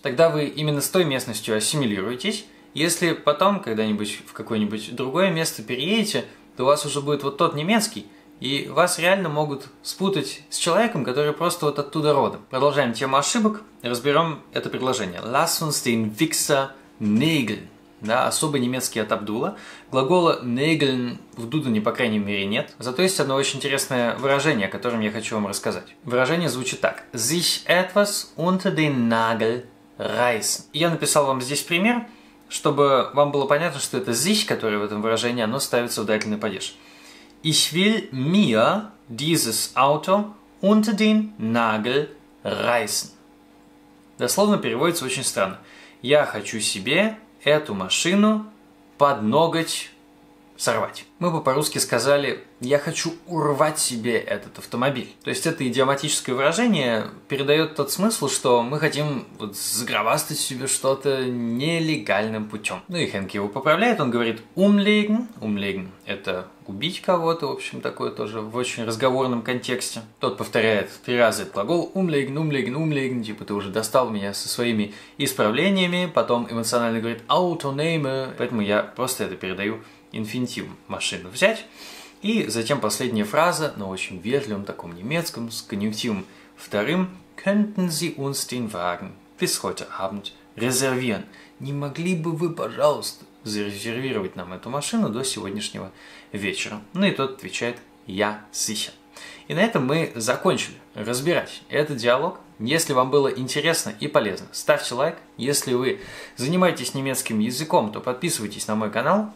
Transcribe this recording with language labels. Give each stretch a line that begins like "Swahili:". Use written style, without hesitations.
Russian: Тогда вы именно с той местностью ассимилируетесь. Если потом когда-нибудь в какое-нибудь другое место переедете, то у вас уже будет вот тот немецкий, и вас реально могут спутать с человеком, который просто вот оттуда родом. Продолжаем тему ошибок. Разберем это предложение.
German: Lass uns den Wichser nageln.
Russian: Да, особый немецкий от Абдула. Глагола «nageln» в Дудене, по крайней мере, нет. Зато есть одно очень интересное выражение, о котором я хочу вам рассказать. Выражение звучит так.
German: «Sich etwas unter den Nagel reißen».
Russian: Я написал вам здесь пример, чтобы вам было понятно, что это «sich», которое в этом выражении, оно ставится в дательный падеж.
German: «Ich will mir dieses Auto unter den Nagel reißen».
Russian: Дословно переводится очень странно. «Я хочу себе эту машину под ноготь сорвать». Мы бы по-русски сказали «я хочу урвать себе этот автомобиль». То есть это идиоматическое выражение передает тот смысл, что мы хотим вот сгробастать себе что-то нелегальным путем. Ну и Хэнк его поправляет, он говорит «umlegen». «Umlegen» — это убить кого-то, в общем, такое тоже в очень разговорном контексте. Тот повторяет три раза этот глагол «umlegen», «umlegen», «umlegen», типа «ты уже достал меня со своими исправлениями», потом эмоционально говорит «autonehme», поэтому я просто это передаю инфинитив «машину взять». И затем последняя фраза, но очень вежливым, таком немецком, с конъюнктивом вторым.
German: «Könnten Sie uns den Wagen bis heute Abend reservieren?»
Russian: «Не могли бы вы, пожалуйста, зарезервировать нам эту машину до сегодняшнего вечера?» Ну и тот отвечает «Я sicher». И на этом мы закончили разбирать этот диалог. Если вам было интересно и полезно, ставьте лайк. Если вы занимаетесь немецким языком, то подписывайтесь на мой канал.